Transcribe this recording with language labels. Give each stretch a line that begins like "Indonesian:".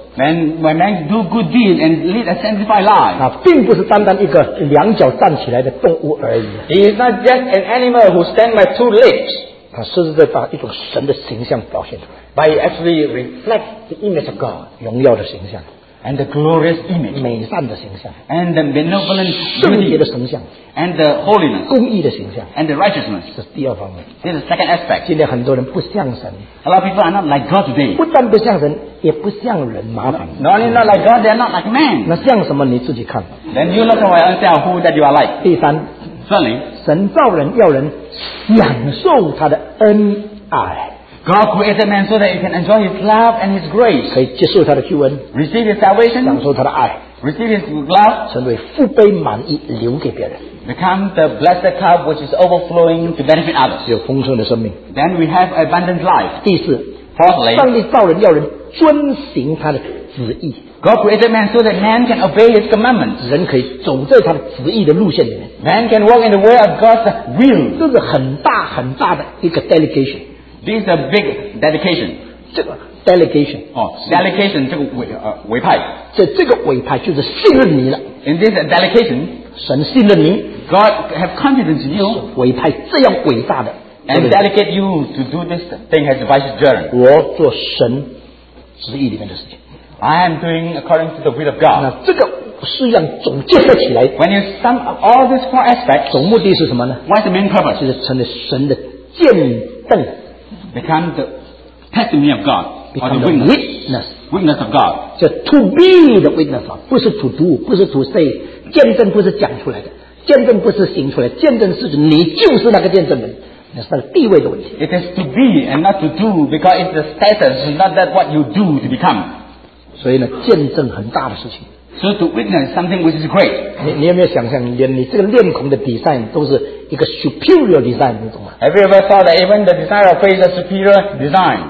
English: when man do good deeds and lead a sanctified life,
Chinese: 并不是单单一个两脚站起来的动物而已.
English: He is not just an animal who stands by two legs.
Chinese: 他实实在在把一种神的形象表现出来。
English: By actually reflect the image of God,
Chinese: 荣耀的形象
English: and the glorious image,
Chinese: 美善的形象
English: and the benevolent
Chinese: 圣洁的形象
English: and the holiness,
Chinese: 公义的形象
English: and the righteousness.
Chinese: 这是第二方面。
English: This is the second aspect.
Chinese: 今天很多人不像神。
English: A lot of people are not like God today.
Chinese: 不但不像神。也不像人，麻烦。
English: No, not like God, they are not like man.
Chinese: 那像什么你自己看。
English: Then you look at yourself, who that you are like.
Chinese: 第三， 神造人要人享受他的恩爱。
English: God created man so that he can enjoy his love and his grace.
Chinese: 可以接受他的救恩,
English: receive his salvation.
Chinese: 享受他的爱,
English: receive his love.
Chinese: 成为富杯满溢留给别人,
English: become the blessed cup which is overflowing to benefit others.
Chinese: 有丰盛的生命,
English: then we have abundant life.
Chinese: 第四,
English: fourthly,
Chinese: 上帝造人要人遵行他的旨意。
English: God created man so that man can obey his commandments.
Chinese: 人可以走在他的旨意的路线里面。
English: Man can walk in the way of God's will.
Chinese: 这是很大很大的一个 delegation.
English: This is a big dedication.
Chinese: 这个delegation.
English: Oh, delegation,
Chinese: 这个委派。这个委派就是信任你了。
English: In this delegation,
Chinese: 神信任你。
English: God have confidence in you.
Chinese: 委派这样伟大的。
English: And delegate you to do this thing as vice chairman.
Chinese: 我做神旨意里面的事情。
English: I am doing according to the will of God.
Chinese: 那这个事项总结合起来,
English: when you sum up all these four aspects,
Chinese: 总目的是什么呢?
English: What's the main purpose?
Chinese: 就是成了神的见证,
English: become the testimony of God, become or the witness. Witness of God.
Chinese: 就
English: to be the witness,
Chinese: 不是
English: to do,
Chinese: 不是
English: to say,
Chinese: 见证不是讲出来的, 见证不是行出来, 见证是指你就是那个见证人。那是地位的问题。
English: It is to be and not to do, because it's the status, not that what you do to become.
Chinese: 所以呢，见证很大的事情。
English: So to witness something which is great.
Chinese: 你有没有想象，连你这个脸孔的design都是一个
English: superior design，
Chinese: 你懂吗？
English: Have you ever thought that even the design of face is a superior design?